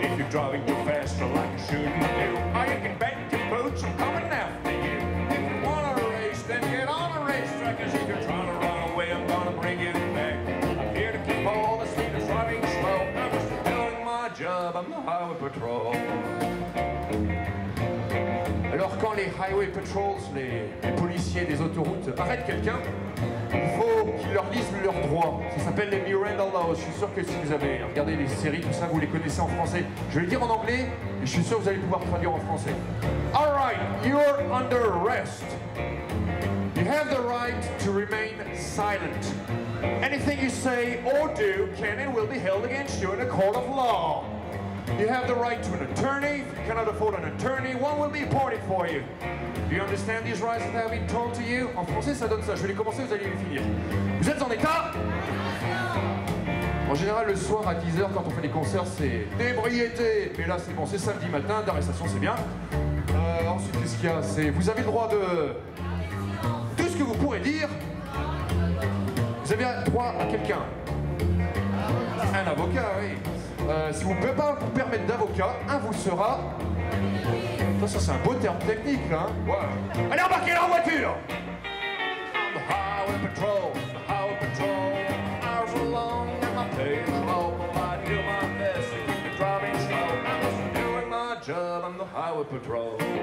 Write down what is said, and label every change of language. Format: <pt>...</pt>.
<en>Driving too fast, or like a shooting view. Oh, you can bet your boots, I'm coming after you. If you want a race, then get on a racetrack. As if you're trying to run away, I'm gonna bring you back. I'm here to keep all the speeders running slow. I'm just doing my job, I'm the highway patrol.</en> <fr>Alors quand les highway patrols, les policiers des autoroutes, arrêtent quelqu'un, il faut qu'ils leur lisent leurs droits. Ça s'appelle les Miranda Laws. Je suis sûr que si vous avez regardé les séries, tout ça, vous les connaissez en français. Je vais le dire en anglais, et je suis sûr que vous allez pouvoir traduire en français.</fr> <en>All right, you're under arrest. You have the right to remain silent. Anything you say or do can and will be held against you in a court of law. You have the right to an attorney. If you cannot afford an attorney, one will be appointed for you. Do you understand these rights that have been told to you?</en> <fr>En français, ça donne ça. Je vais les commencer, vous allez les finir. Vous êtes en état? En général, le soir à 10h, quand on fait des concerts, c'est débriété. Mais là, c'est bon, c'est samedi matin, d'arrestation, c'est bien. Ensuite, qu'est-ce qu'il y a? C'est vous avez le droit de... Tout ce que vous pourrez dire. Vous avez droit à quelqu'un. Un avocat, oui. Si vous ne pouvez pas vous permettre d'avocat, un vous sera. Ça, ça c'est un beau terme technique, là. Ouais. Allez, embarquez la voiture!</fr> <en>The highway patrol, the highway patrol. Hours are long and my pay is low. I do my best to keep the driving slow. I'm just doing my job, I'm the highway patrol.</en>